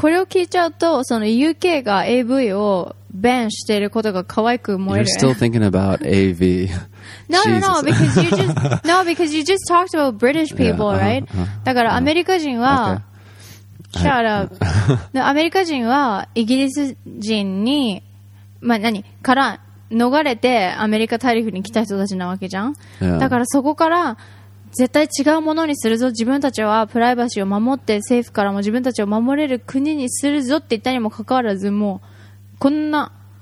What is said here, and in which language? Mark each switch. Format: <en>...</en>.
<ja>これを聞いちゃうと、その UK が AV をバンしていることが可愛く思える。</ja> <en>You're still thinking about AV. No, because you just talked about British people, yeah, right?</en> <ja>だからアメリカ人は、</ja> <en>Shut up.</en> <ja>アメリカ人はイギリス人に、まあ何、から逃れてアメリカ大陸に来た人たちなわけじゃん。</ja> <en>Yeah.</en> <ja>だからそこから絶対違うものにするぞ、自分たちはプライバシーを守って政府からも自分たちを守れる国にするぞって言ったにもかかわらず、もうこんな、</ja>